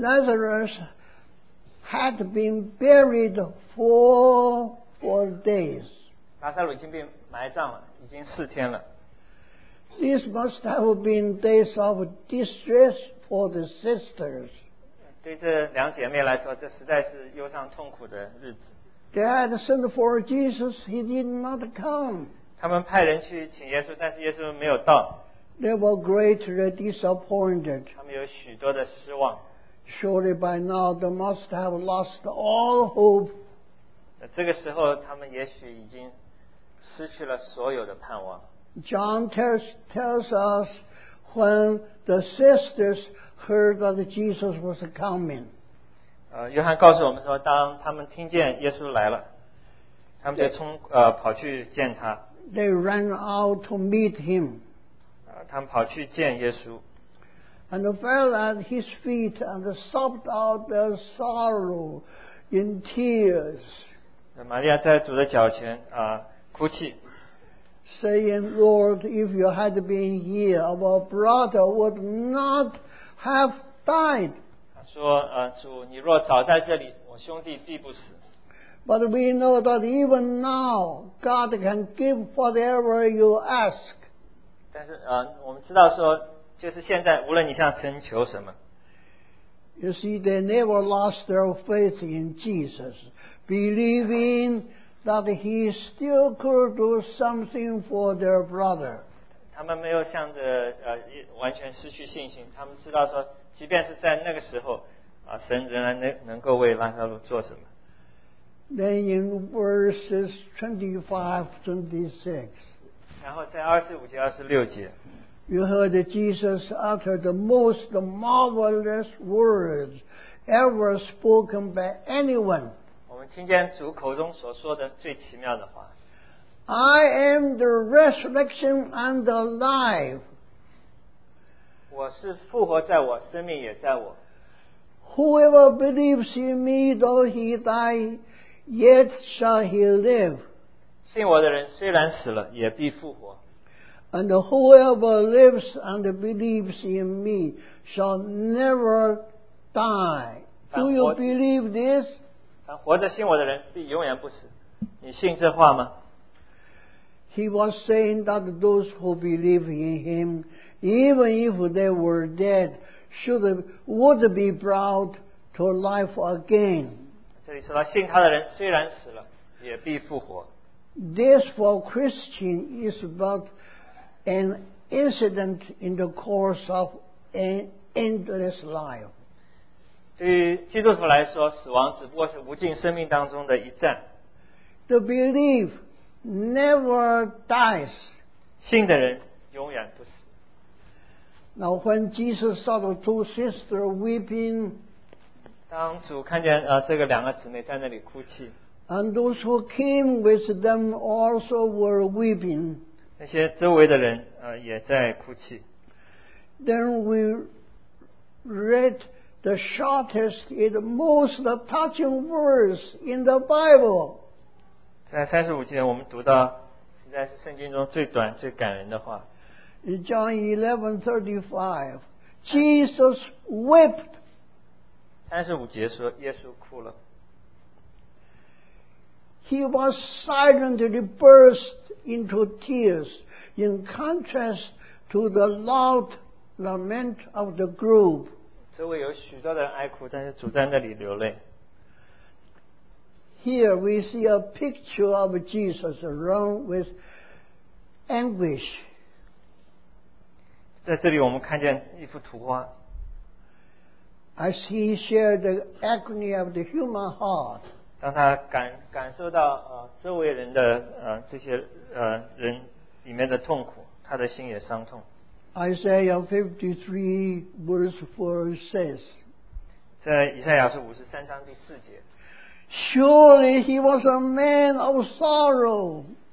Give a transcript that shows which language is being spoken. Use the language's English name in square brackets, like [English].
[English] Lazarus had been buried four days. [Chinese] 拉撒路已经被埋葬了，已经四天了。 [English] This must have been days of distress. For the sisters. [Chinese] 对这两姐妹来说，这实在是忧伤痛苦的日子。 [English] They had sent for Jesus, he did not come. [Chinese] 他们派人去请耶稣，但是耶稣没有到。 [English] They were greatly disappointed. [Chinese] 他们有许多的失望。 [English] Surely by now they must have lost all hope. [Chinese] 这个时候他们也许已经失去了所有的盼望。 [English] John tells us,When the sisters heard that Jesus was coming, [Chinese] 约翰告诉我们说，当他们听见耶稣来了，他们就冲跑去见他。 [English] They ran out to meet him. [Chinese] 他们跑去见耶稣。 [English] And fell at his feet and sobbed out their sorrow in tears. [Chinese] 玛利亚在主的脚前哭泣。 [English] Saying, Lord, if you had been here, our brother would not have died. [Chinese] 说主，你若早在这里，我兄弟必不死。 [English] But we know that even now, God can give whatever you ask. [Chinese] 但是我们知道说，就是现在，无论你向神求什么。 [English] You see, they never lost their faith in Jesus, believing. That he still could do something for their brother. [Chinese] 他们没有向着完全失去信心。他们知道说，即便是在那个时候，神仍然能够为拉撒路做什么。 [English] Then in verses 25-26. [Chinese] 然后在25-26节 [English] ，You heard Jesus utter the most marvelous words ever spoken by anyone. [Chinese] 我们听见主口中所说的最奇妙的话。 [English] I am the resurrection and the life. [Chinese] 我是复活在我，生命也在我。 [English] Whoever believes in me, though he die, yet shall he live. [Chinese] 信我的人虽然死了，也必复活。 [English] And whoever lives and believes in me shall never die. Do you believe this? [Chinese] 活着信我的人必永远不死，你信这话吗？ [English] He was saying that those who believe in him, even if they were dead, would be brought to life again. [Chinese] 这里说到信他的人虽然死了，也必复活。 [English] This for Christian is but an incident in the course of an endless life. [Chinese] 对于基督徒来说，死亡只不过是无尽生命当中的一站。 [English] The believer never dies. [Chinese] 信的人永远不死。 [English] Now when Jesus saw the two sisters weeping, [Chinese] 当主看见这个两个姊妹在那里哭泣。 [English] And those who came with them also were weeping. [Chinese] 那些周围的人也在哭泣。 [English] Then we read. The shortest and most touching verse in the Bible. [Chinese] 在35节我们读到实在是圣经中最短最感人的话。 [English] In John 11:35, Jesus wept. [Chinese] 35节说耶稣哭了。 [English] He was silently burst into tears in contrast to the loud lament of the group. [Chinese] 周围有许多的人哀哭，但是主在那里流泪。 [English] Here we see a picture of Jesus wrung with anguish. [Chinese] 在这里我们看见一幅图画。 [English] As he shared the agony of the human heart. [Chinese] 当他感受到周围人的这些人里面的痛苦，他的心也伤痛。 [English] Isaiah 53 verse 4 says, [Chinese] 在以赛亚书五十三章第四节 [English] Surely he was a man of sorrow.